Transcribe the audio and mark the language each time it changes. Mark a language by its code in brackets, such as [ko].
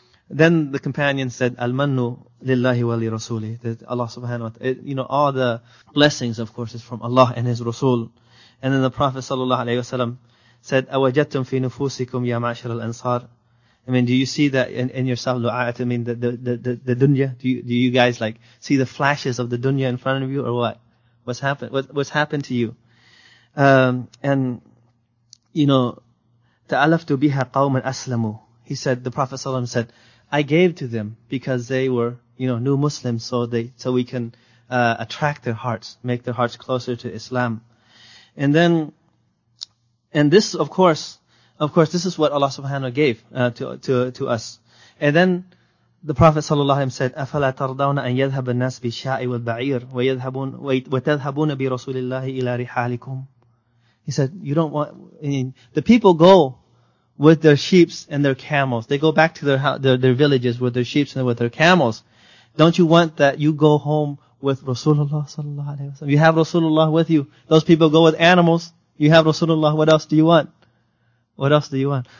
[en] Then the companion said, Al-mannu lillahi wa li rasuli, that Allah subhanahu wa ta'ala, you know, all the blessings, of course, is from Allah and His Rasul, and then the Prophet sallallahu alayhi wa sallam said, [ar] أَوَجَدْتُمْ فِي نُفُوسِكُمْ يَا مَعْشَرَ الْأَنصَارِ. [en] I mean, do you see that in yourself, lu'a'at? I mean, the dunya? Do you guys like see the flashes of the dunya in front of you, or what? What's happened to you? And, you know, [ar] تَأَلَفْتُ بِهَا قَوْمًا أَسْلَمُوا. [en] He said, the Prophet ﷺ said, I gave to them because they were, you know, new Muslims, so we can attract their hearts, make their hearts closer to Islam. And then, and this, of course, this is what Allah subhanahu wa ta'ala gave to us. And then the Prophet sallallahu alaihi wasallam said, [ar] أَفَلَا تَرْضَوْنَ أَن يَذْهَبَ النَّاسِ بِالشَّاعِ وَالْبَعِيرِ وَتَذْهَبُونَ بِرَسُولِ اللَّهِ إِلَى رِحَالِكُمْ. [en] He said, you don't want, I mean, the people go with their sheep and their camels. They go back to their villages with their sheep and with their camels. Don't you want that you go home with Rasulullah sallallahu alaihi wasallam? You have Rasulullah with you. Those people go with animals. You have Rasulullah, what else do you want? What else do you want?